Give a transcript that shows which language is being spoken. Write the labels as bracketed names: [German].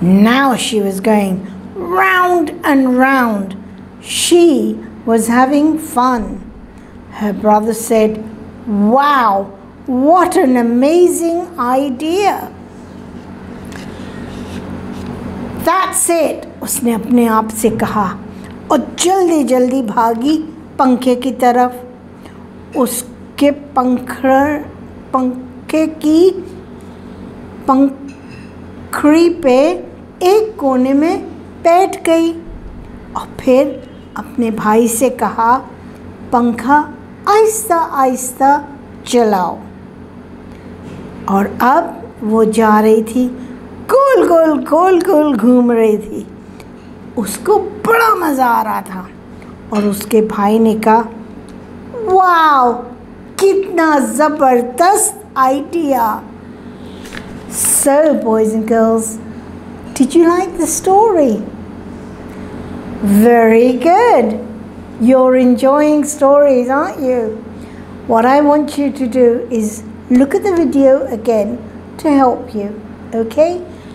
[English] Now she was going round and round. She was having fun. Her brother said, "Wow, what an amazing idea." "That's it," [Hindi] उसने अपने आप से कहा और जल्दी जल्दी भागी पंखे की तरफ. उसके पंखे की पंखड़ी पे एक कोने में बैठ गई और फिर अपने भाई से कहा, "पंखा आहिस्ता आहिस्ता चलाओ." और अब वो जा रही थी, गोल गोल गोल गोल घूम रही थी. उसको बड़ा मज़ा आ रहा था और उसके भाई ने कहा, "वाओ, कितना ज़बरदस्त idea." [English] So, boys and girls, did you like the story? Very good. You're enjoying stories, aren't you? What I want you to do is look at the video again to help you, okay?